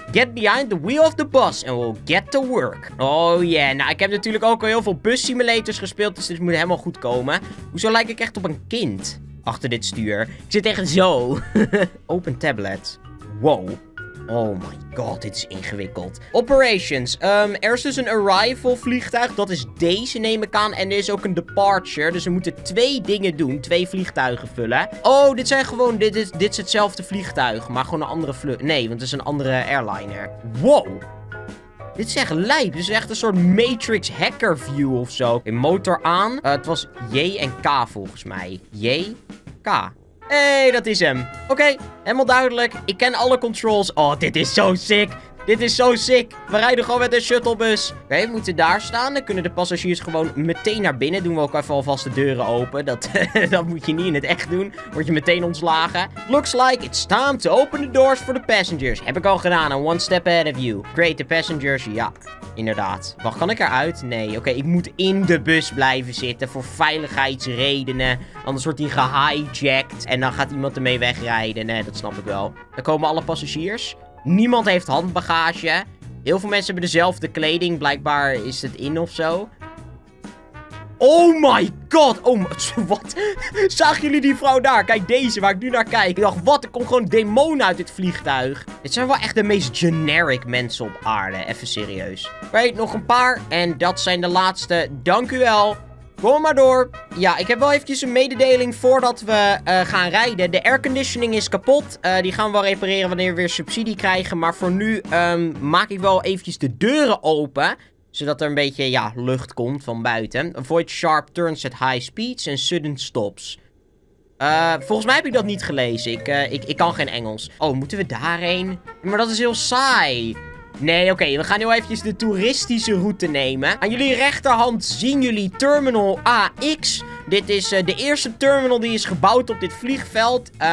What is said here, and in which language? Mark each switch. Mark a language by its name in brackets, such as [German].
[English] Get behind the wheel of the bus and we'll get to work. Oh yeah. [Dutch] Nou, ik heb natuurlijk ook al heel veel bus simulators gespeeld. Dus dit moet helemaal goed komen. Hoezo lijk ik echt op een kind achter dit stuur? Ik zit echt zo. Open tablet. Wow. [English] Oh my god, [Dutch] dit is ingewikkeld. Operations. Er is dus een arrival vliegtuig. Dat is deze, neem ik aan. En er is ook een departure. Dus we moeten twee dingen doen. Twee vliegtuigen vullen. Oh, dit zijn gewoon... Dit is hetzelfde vliegtuig. Maar gewoon een andere vlucht. Nee, want het is een andere airliner. Wow. Dit is echt lijp. Dit is echt een soort Matrix hacker view of zo. Een motor aan. Het was J en K volgens mij. J, K. Hé, hey, dat is hem. Oké, okay, helemaal duidelijk. Ik ken alle controls. Oh, dit is zo sick. Dit is zo sick. We rijden gewoon met een shuttlebus. Oké, okay, we moeten daar staan. Dan kunnen de passagiers gewoon meteen naar binnen. Doen we ook even alvast de deuren open. Dat moet je niet in het echt doen. Word je meteen ontslagen. [English] Looks like it's time to open the doors for the passengers. [Dutch] Heb ik al gedaan. [English] I'm one step ahead of you. Great, the passengers. [Dutch] Ja, inderdaad. Wacht, kan ik eruit? Nee, oké. Okay, ik moet in de bus blijven zitten voor veiligheidsredenen. Anders wordt hij gehijacked. En dan gaat iemand ermee wegrijden. Nee, dat snap ik wel. Dan komen alle passagiers. Niemand heeft handbagage. Heel veel mensen hebben dezelfde kleding. Blijkbaar is het in of zo. [English] Oh my god. Oh my, [Dutch] wat? Zagen jullie die vrouw daar? Kijk, deze waar ik nu naar kijk. Ik dacht, wat? Er komt gewoon demonen uit dit vliegtuig. Dit zijn wel echt de meest generic mensen op aarde. Even serieus. Oké, nog een paar. En dat zijn de laatste. Dank u wel. Kom maar door. Ja, ik heb wel eventjes een mededeling voordat we gaan rijden. De airconditioning is kapot. Die gaan we wel repareren wanneer we weer subsidie krijgen. Maar voor nu maak ik wel eventjes de deuren open. Zodat er een beetje, ja, lucht komt van buiten. [English] Avoid sharp turns at high speeds and sudden stops. [Dutch] Volgens mij heb ik dat niet gelezen. Ik kan geen Engels. Oh, moeten we daarheen? Maar dat is heel saai. Nee, oké, okay, we gaan nu even de toeristische route nemen. Aan jullie rechterhand zien jullie terminal AX. Dit is de eerste terminal die is gebouwd op dit vliegveld.